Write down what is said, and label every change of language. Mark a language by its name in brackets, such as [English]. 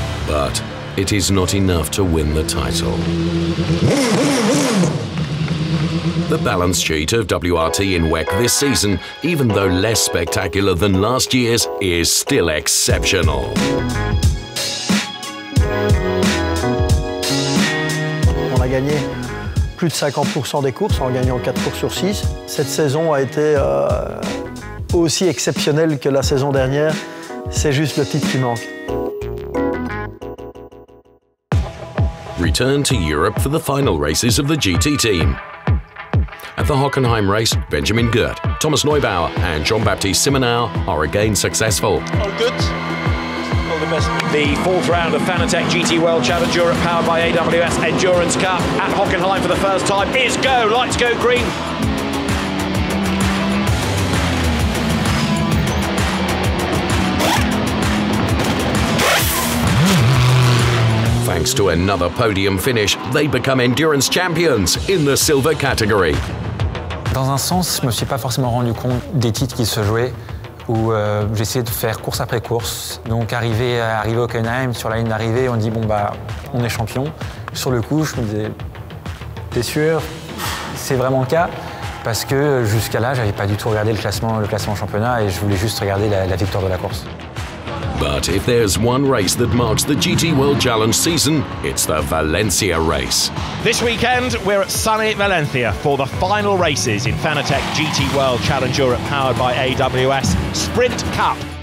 [English] But it is not enough to win the title. The balance sheet of WRT in WEC this season, even though less spectacular than last year's, is still exceptional. [French] Gagné plus de 50% des courses en gagnant 4 courses sur 6. Cette saison a été aussi exceptionnelle que la saison dernière. C'est juste le titre qui manque. [English] Return to Europe for the final races of the GT team. At the Hockenheim race, Benjamin Gurt, Thomas Neubauer and Jean-Baptiste Simonau are again successful. All good. The fourth round of Fanatec GT World Challenge Europe powered by AWS Endurance Cup at Hockenheim for the first time is go. Lights go green. Thanks to another podium finish, they become endurance champions in the silver category. [French] Dans un sens, je me suis pas forcément rendu compte des titres qui se jouaient. Où j'essayais de faire course après course. Donc arrivé à Hockenheim, sur la ligne d'arrivée, on dit bon bah on est champion. Sur le coup, je me disais t'es sûr, c'est vraiment le cas. Parce que jusqu'à là, j'avais pas du tout regardé le classement championnat et je voulais juste regarder la victoire de la course. [English] But if there's one race that marks the GT World Challenge season, it's the Valencia race. This weekend, we're at sunny Valencia for the final races in Fanatec GT World Challenge Europe powered by AWS Sprint Cup.